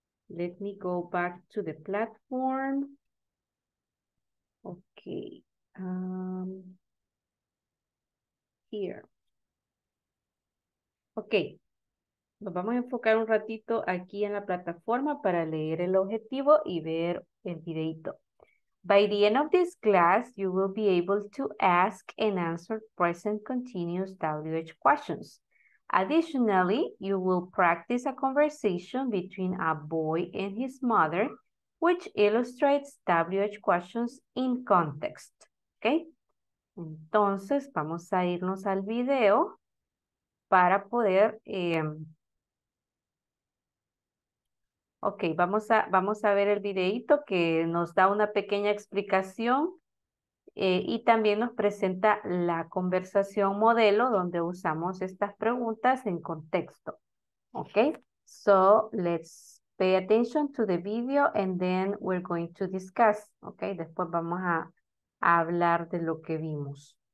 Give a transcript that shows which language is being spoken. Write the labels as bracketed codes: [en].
[en] Let me go back to the platform. ¿Ok? Here. [es] Ok, nos vamos a enfocar un ratito aquí en la plataforma para leer el objetivo y ver el videito. [en] By the end of this class, you will be able to ask and answer present continuous WH questions. Additionally, you will practice a conversation between a boy and his mother, which illustrates WH questions in context. [es] Ok, entonces vamos a irnos al video para poder, ok, vamos a ver el videito que nos da una pequeña explicación y también nos presenta la conversación modelo donde usamos estas preguntas en contexto, ok? [en] So, let's pay attention to the video and then we're going to discuss, ok? [es] Después vamos a hablar de lo que vimos.